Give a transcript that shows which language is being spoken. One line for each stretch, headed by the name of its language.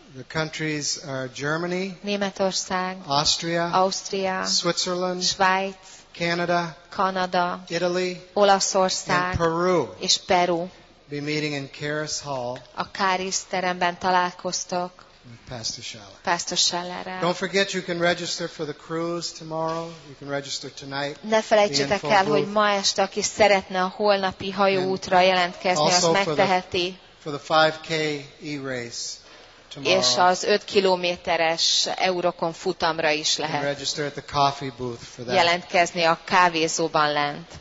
English: The countries are Germany,
Hungarian: Németország,
English: Austria, Switzerland,
Hungarian: Svájc,
English: Canada, Italy,
Hungarian: Olaszország, és Peru.
English: Be meeting in Karis Hall.
Hungarian: A Karis teremben találkoztok. Pastor Schellerrel.
English: Don't forget you can register for the cruise tomorrow. You can register tonight.
Hungarian: Ne felejtsetek el, hogy ma este, aki szeretne a holnapi hajóútra jelentkezni, az megteheti.
English: For the 5K e-race tomorrow.
Hungarian: És az 5 kilométeres Eurocon futamra is lehet.
English: Register at the coffee booth for that.
Hungarian: Jelentkezni a kávézóban lent.